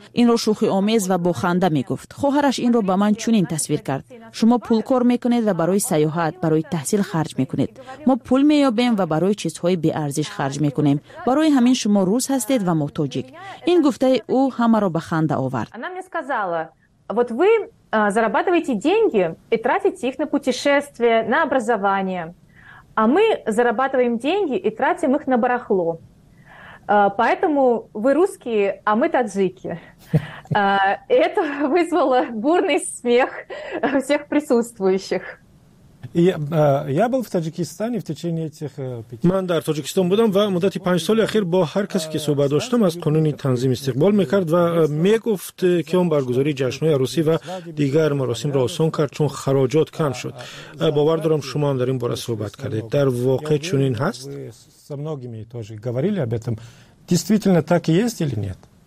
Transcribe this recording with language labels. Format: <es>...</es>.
<fa>این را شوخی آمیز و با خنده میگفت. خواهرش این را به من چنین تصویر کرد: شما پول کار میکنید و برای سیاحت، برای تحصیل خرج میکنید. ما پول مییابیم و برای چیزهای بی ارزش خرج میکنیم. برای همین شما روس هستید و ما تاجیک. این گفته او همه را به خنده آورد.</fa> <ru>Она мне сказала: вот вы зарабатываете деньги и тратите их на путешествия, на образование. А мы зарабатываем деньги и тратим их на барахло. Поэтому вы русские, а мы таджики. Это вызвало бурный смех всех присутствующих. Я был в Таджикистане в течение этих 5</ru> <tg>Ман дар Таджикистан будам ва муддати 5 соли ахир бо ҳар касе ки суҳбат доштам аз қонуни танзим истиқбол мекард ва мегуфт ки он баргузори ҷашнҳои арӯсӣ ва дигар маросимро осон кард чун хароҷот кам шуд. Бовар дорам шумо ҳам дар ин бора суҳбат кардед. Дар воқеъ чунин ҳаст?</tg> <ru>Со многими тоже говорили об этом. Действительно так и есть или нет?</ru>